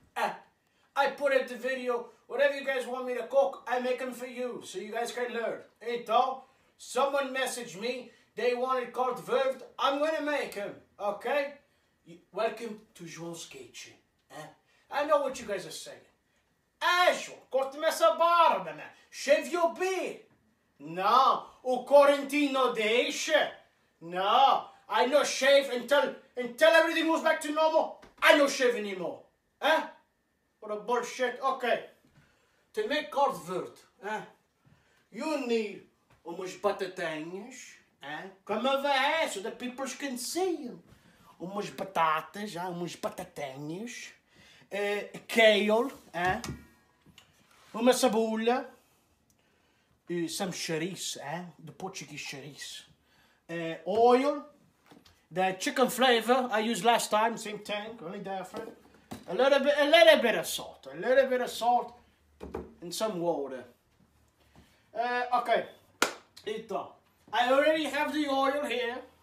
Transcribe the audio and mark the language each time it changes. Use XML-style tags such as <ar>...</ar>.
<en>I put in the video, whatever you guys want me to cook, I make them for you, so you guys can learn.</en> <pt>Então,</pt> <en>someone messaged me, they wanted codfish, I'm gonna make them, okay? Welcome to João's Kitchen. I know what you guys are saying.</en> <pt>João, corta-me essa barba, man.</pt> <en>Shave your beard.</en> <pt>Não, o quarantino deixa. Não,</pt> <en>I no shave until everything goes back to normal. I no shave anymore. Eh? What a bullshit. Okay. To make codfish, you need</en> <pt>umas batatinhas. Como é isso?</pt> <en>The people can see you.</en> <pt>Umas batatas, umas batatinhas. Kale, uma cebola e</pt> <en>some chouriço, the Portuguese chouriço. Oil, the chicken flavor I used last time, same tank, only different. A little bit of salt, a little bit of salt and some water. Okay,</en> <pt>então,</pt> <en>I already have the oil here.</en>